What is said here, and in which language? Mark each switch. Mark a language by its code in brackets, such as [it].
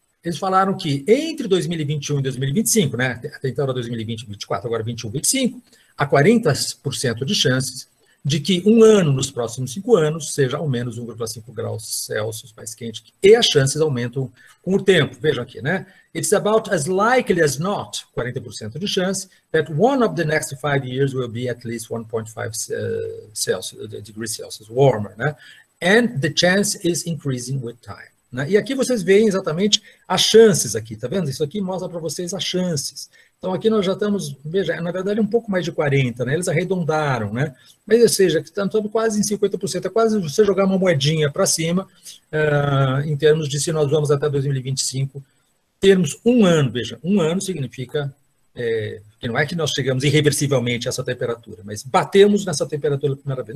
[pt] Eles falaram que entre 2021 e 2025, né, até então era 2020 e 2024, agora 21 e 2025, há 40% de chances de que um ano nos próximos 5 anos seja ao menos 1,5 graus Celsius mais quente, e as chances aumentam com o tempo. Vejam aqui, né? [en] It's about as likely as not, [pt] 40% de chance, [en] that one of the next 5 years will be at least 1.5 degrees Celsius warmer, né? And the chance is increasing with time. [pt] E aqui vocês veem exatamente as chances aqui, tá vendo? Isso aqui mostra para vocês as chances. Então aqui nós já estamos, veja, na verdade um pouco mais de 40, né? Eles arredondaram, né? Mas ou seja, estamos quase em 50%, é quase você jogar uma moedinha para cima, em termos de se nós vamos até 2025 termos um ano, veja, um ano significa que não é que nós chegamos irreversivelmente a essa temperatura, mas batemos nessa temperatura pela primeira vez.